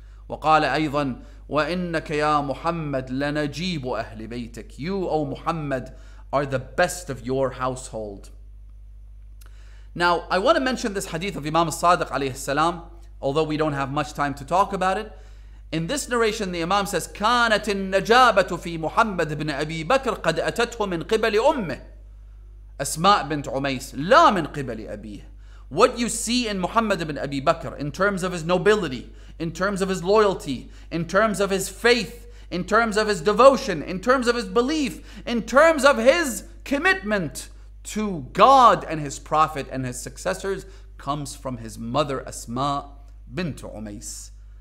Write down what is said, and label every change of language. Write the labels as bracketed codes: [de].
[ar] وَقَالَ أَيْضًا وَإِنَّكَ يَا مُحَمَّدْ لَنَجِيبُ أَهْلِ بَيْتِكَ. [en] You, O Muhammad, are the best of your household. Now, I want to mention this hadith of Imam al-Sadiq alayhi salam, although we don't have much time to talk about it. In this narration, the Imam says, [ar] كَانَتِ النَّجَابَةُ فِي مُحَمَّدْ بْنِ أَبِي بَكْرِ قَدْ أَتَتْهُ مِنْ قِبَلِ أُمِّهِ. أسماء بنت عميس, لا من قبل أبيه. [en] What you see in Muhammad ibn Abi Bakr in terms of his nobility, in terms of his loyalty, in terms of his faith, in terms of his devotion, in terms of his belief, in terms of his commitment to God and his prophet and his successors, comes from his mother Asma bint Umays.